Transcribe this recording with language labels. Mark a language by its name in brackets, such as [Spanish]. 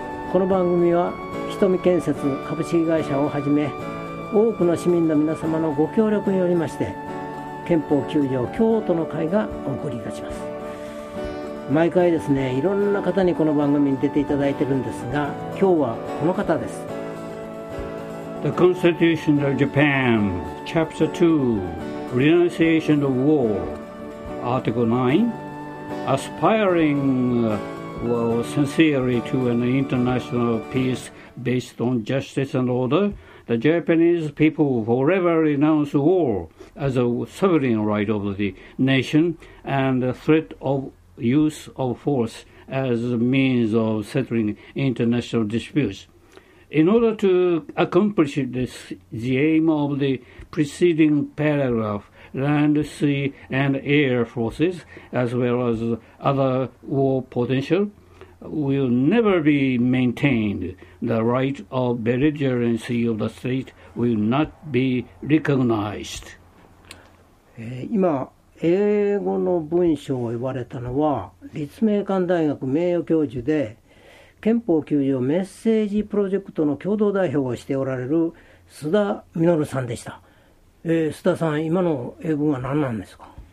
[Japanese] この番組は瞳建設株式会社をはじめ多くの市民の皆様のご協力によりまして憲法9条京都の会がお送りいたします。毎回ですね、いろんな方にこの番組に出ていただいてるんですが、今日はこの方です。 [English] The Constitution of Japan Chapter 2 Renunciation of War Article 9 Aspiring well, sincerely to an international peace based on justice and order The Japanese people forever renounce war as a sovereign right of the nation and the threat of use of force as a means of settling international disputes. In order to accomplish this, the aim of the preceding paragraph, land, sea, and air forces, as well as other war potential, will never be maintained. The right of belligerency of the state will not be recognized. [Japanese] 今英語の文章を言われたのは立命館大学名誉教授で憲法9条メッセージプロジェクトの共同代表をしておられる須田稔さんでした。須田さん、今の英文は何なんですか？